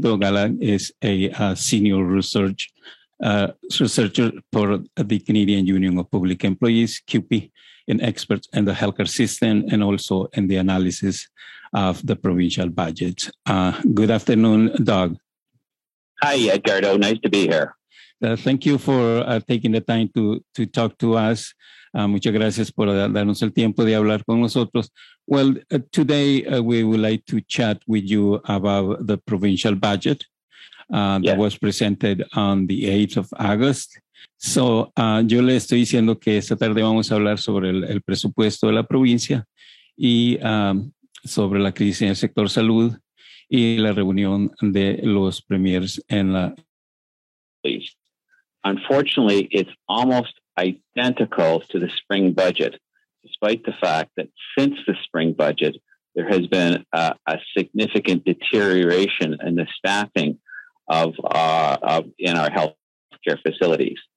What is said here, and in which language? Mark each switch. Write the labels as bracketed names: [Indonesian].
[English] Doug Allen is a senior researcher for the Canadian Union of Public Employees, QP, an expert in the healthcare system and also in the analysis of the provincial budget. Good afternoon, Doug. Hi, Edgardo. Nice to be here. Thank you for taking the time to talk to us. [Spanish] Muchas gracias por darnos el tiempo de hablar con nosotros. [English] Well, today we would like to chat with you about the provincial budget that was presented on the 8th of August. [Spanish] So yo le estoy diciendo que esta tarde vamos a hablar sobre el presupuesto de la provincia y sobre la crisis en el sector salud y la reunión de los premiers en la... [English] Unfortunately, it's almost identical to the spring budget, despite the fact that since the spring budget, there has been a significant deterioration in the staffing of in our healthcare facilities.